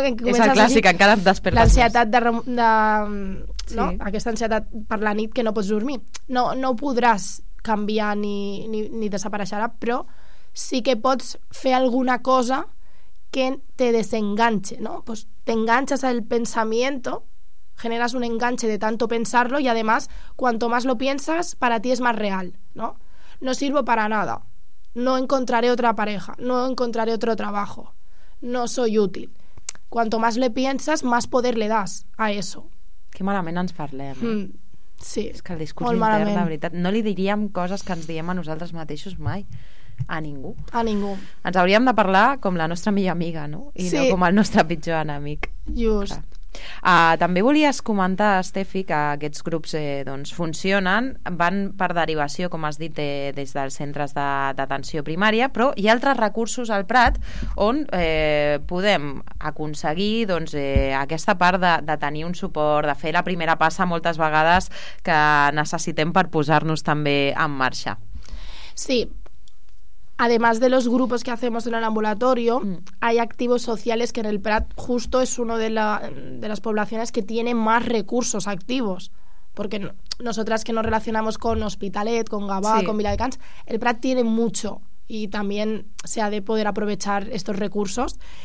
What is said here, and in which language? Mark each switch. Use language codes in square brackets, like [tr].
[ca] que comences, és el clàssic, encara et despertes. L'ansietat de sí. No? Aquesta ansietat per la nit que no pots dormir. No ho podràs canviar ni desapareixerà, però sí que pots fer alguna cosa que [es] te desenganche, [ca] no? [es] Pues [ca] t'enganxes [es] al pensamiento, generas un enganche de tanto pensarlo, y además cuanto más lo piensas para ti es más real, ¿no? No sirvo para nada, no encontraré otra pareja, no encontraré otro trabajo, no soy útil. Cuanto más le piensas, más poder le das a eso. [ca] Qué malamente nos parlem. Sí, és que el discurs molt intern, malament. La veritat, no li diríem coses que ens diem a nosaltres mateixos mai. A ningú. A ningú. Ens hauríem de parlar com la nostra millor amiga, no? I sí, no com el nostre pitjor enemic. Just. Clar. També volies comentar, Estefi, que aquests grups doncs, funcionen, van per derivació, com has dit, des dels centres d'atenció primària, però hi ha altres recursos al Prat on podem aconseguir doncs, aquesta part de tenir un suport, de fer la primera passa moltes vegades que necessitem per posar-nos també en marxa. Sí. [es] Además de los grupos que hacemos en el ambulatorio, hay activos sociales que en el Prat justo es uno de las poblaciones que tiene más recursos activos. Porque nosotras que nos relacionamos con Hospitalet, con Gavà, sí, con Viladecans, el Prat tiene mucho y también se ha de poder aprovechar estos recursos.